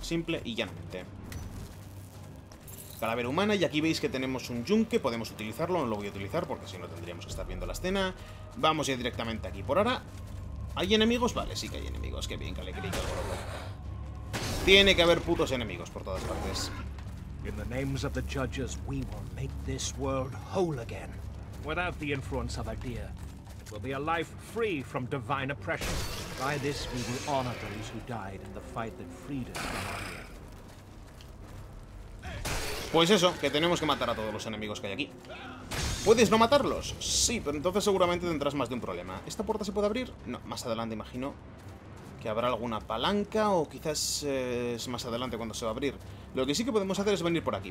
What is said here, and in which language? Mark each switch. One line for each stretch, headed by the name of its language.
Spanish: Simple y llanamente. Calavera humana, y aquí veis que tenemos un yunque. Podemos utilizarlo, no lo voy a utilizar porque si no tendríamos que estar viendo la escena. Vamos ya directamente aquí por ahora. ¿Hay enemigos? Vale, sí que hay enemigos. Qué bien que le grito al globo. Tiene que haber putos enemigos por todas partes.
English: In the names of the judges, we will make this world whole again. Without the influence of Idea, it will be a life free from divine oppression. By this we will honor those who died in the fight that freed us from our year.
Spanish: Pues eso, que tenemos que matar a todos los enemigos que hay aquí. ¿Puedes no matarlos? Sí, pero entonces seguramente tendrás más de un problema. ¿Esta puerta se puede abrir? No, más adelante imagino que habrá alguna palanca o quizás es más adelante cuando se va a abrir. Lo que sí que podemos hacer es venir por aquí.